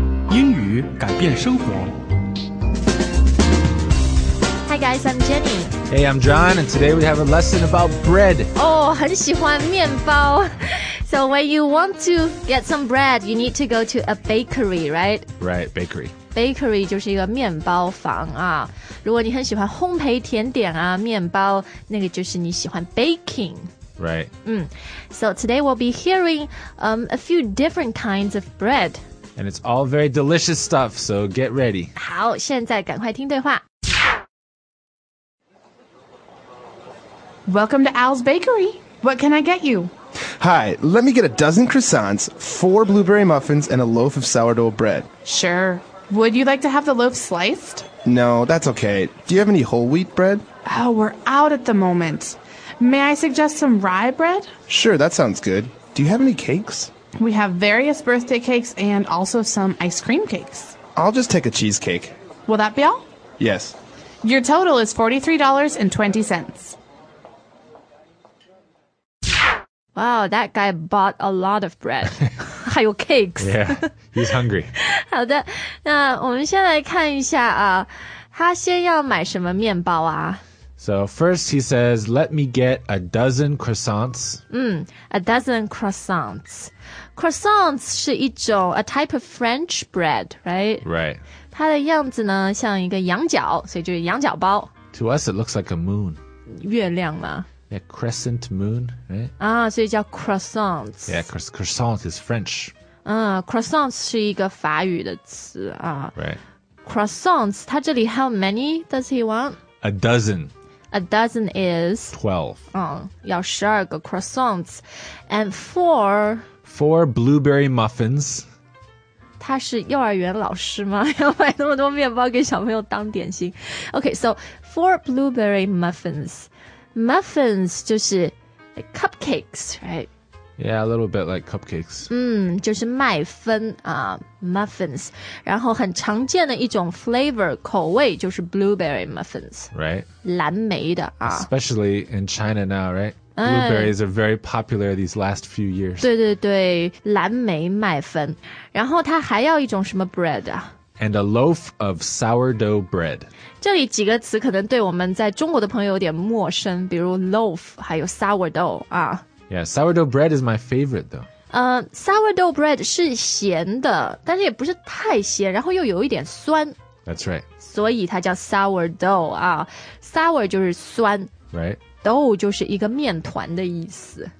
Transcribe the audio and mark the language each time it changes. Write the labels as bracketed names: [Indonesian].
[Chinese] 英语改变生活。 [English] Hi guys, I'm Jenny. Hey, I'm John, and today we have a lesson about bread. [Chinese] Oh, 很喜欢面包。 [English] So when you want to get some bread, you need to go to a bakery, right? Right, bakery. [Chinese] Bakery 就是一个面包房啊。如果你很喜欢烘焙甜点啊，面包，那个就是你喜欢 baking。 [English] Right. So today we'll be hearing a few different kinds of bread. And it's all very delicious stuff, so get ready. [Chinese] 好，现在赶快听对话。 [English] Welcome to Al's Bakery. What can I get you? Hi, let me get a dozen croissants, 4 blueberry muffins, and a loaf of sourdough bread. Sure. Would you like to have the loaf sliced? No, that's okay. Do you have any whole wheat bread? Oh, we're out at the moment. May I suggest some rye bread? Sure, that sounds good. Do you have any cakes? We have various birthday cakes and also some ice cream cakes. I'll just take a cheesecake. Will that be all? Yes. Your total is $43.20. Wow, that guy bought a lot of bread. [Chinese] 还有 cakes. [English] Yeah, he's hungry. [Chinese] 好的，那我们先来看一下啊，他先要买什么面包啊？ [English] So first he says, let me get a dozen croissants. A dozen croissants. Croissants [Chinese] 是一种 [English] a type of French bread, right? Right. [Chinese] 它的样子呢像一个羊角，所以就是羊角包。 [English] To us it looks like a moon. [Chinese] 月亮嘛。 [English] Yeah, crescent moon, right? [Chinese] 啊，所以叫 croissants. [English] Yeah, croissant is French. [Chinese] Croissants 是一个法语的词啊。 [English] Right. Croissants, [Chinese] 它这里 [English] how many does he want? A dozen. A dozen is? 12. 要12个 croissants. And 4? 4 blueberry muffins. [Chinese] 他是幼儿园老师吗？要买那么多面包给小朋友当点心。 [English] Okay, so 4 blueberry muffins. Muffins [Chinese] 就是 [English] like cupcakes, right? Yeah, a little bit like cupcakes. [Chinese] 就是麦芬啊、muffins. 然后很常见的一种 flavor, 口味就是 blueberry muffins. [English] Right. [Chinese] 蓝莓的啊。 [English] Especially in China now, right? Blueberries are very popular these last few years. [Chinese] 对对对，蓝莓麦芬。然后它还要一种什么 bread 啊？ [English] And a loaf of sourdough bread. [Chinese] 这里几个词可能对我们在中国的朋友有点陌生，比如 loaf, 还有 sourdough 啊。 [English] Yeah, sourdough bread is my favorite, though. [Chinese] Sourdough bread 是咸的，但是也不是太咸，然后又有一点酸。 [English] That's right. [Chinese] 所以它叫 sourdough, 啊。 Sour 就是酸。 [English] Right. [Chinese] Dough 就是一个面团的意思。